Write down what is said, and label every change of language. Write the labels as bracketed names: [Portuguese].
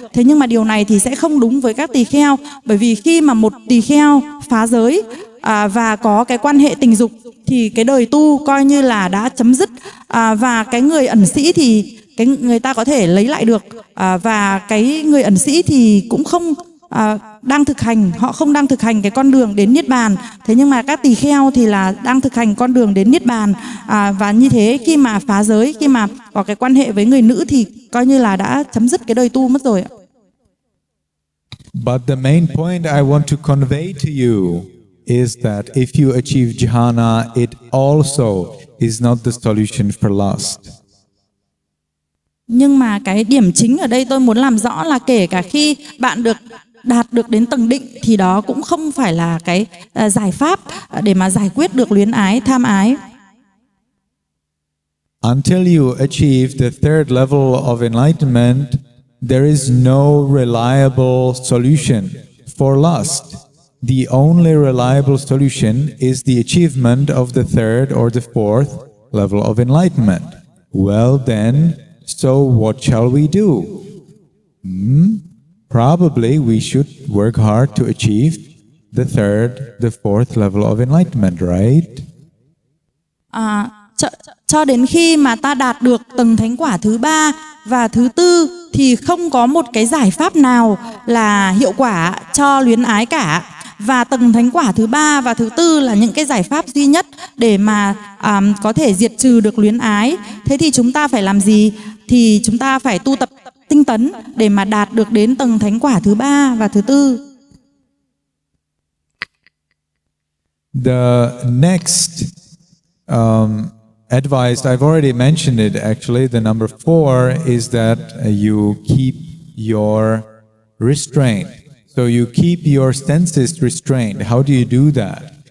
[Vietnamese] Thế nhưng mà điều này thì sẽ không đúng với các tỳ kheo, bởi vì khi mà một tỳ kheo phá giới và có cái quan hệ tình dục thì cái đời tu coi như là đã chấm dứt, và cái người ẩn sĩ thì cái người ta có thể lấy lại được, và cái người ẩn sĩ thì cũng không đang thực hành, họ không đang thực hành cái con đường đến Niết Bàn. Thế nhưng mà các tỳ kheo thì là đang thực hành con đường đến Niết Bàn, và như thế khi mà phá giới, khi mà có cái quan hệ với người nữ thì coi như là đã chấm dứt cái đời tu mất rồi. [English] But the main point I want to convey to you is that if you achieve jhana, it also is not the solution for lust. [Vietnamese] Nhưng mà cái điểm chính ở đây tôi muốn làm rõ là kể cả khi bạn được đạt được đến tầng định thì đó cũng không phải là cái giải pháp để mà giải quyết được luyến ái, tham ái. [English] Until you achieve the third level of enlightenment, there is no reliable solution for lust. The only reliable solution is the achievement of the third or the fourth level of enlightenment. Well then, so what shall we do? Probably we should work hard to achieve the third, the fourth level of enlightenment, right? [Vietnamese] Cho đến khi mà ta đạt được tầng thánh quả thứ ba và thứ tư thì không có một cái giải pháp nào là hiệu quả cho luyến ái cả. Và tầng thánh quả thứ ba và thứ tư là những cái giải pháp duy nhất để mà có thể diệt trừ được luyến ái. Thế thì chúng ta phải làm gì? Thì chúng ta phải tu tập tinh tấn để mà đạt được đến tầng thánh quả thứ ba và thứ tư. [English] The next advice, I've already mentioned it actually, the number four is that you keep your restraint. So you keep your senses restrained. How do you do that?